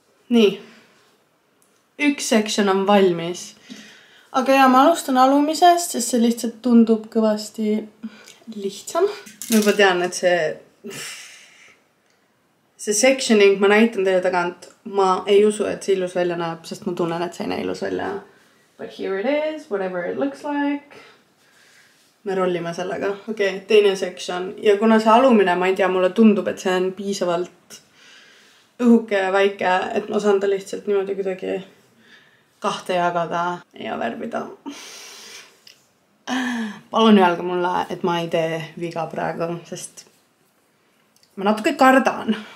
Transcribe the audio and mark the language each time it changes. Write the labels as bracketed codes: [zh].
[et] Nii. 1 sektsioon on valmis. Aga jah, ma alustan alumisest, sest see lihtsalt tundub kõvasti lihtsam. Ma juba tean, et see sectioning, ma näitan teile tagant, ma ei usu, et see ilus välja näeb, sest ma tunnen, et see ei näe ilus välja. [en] But here it is, whatever it looks like. [et] Me rollime sellega. Okei, teine seksioon. Ja kuna see alumine, ma ei tea, mulle tundub, et see on piisavalt õhuke ja väike, et ma saan ta lihtsalt niimoodi kuidagi 2 jagada ja värvida. Palun öelge mulle, et ma ei tee viga praegu, sest ma natuke kardan.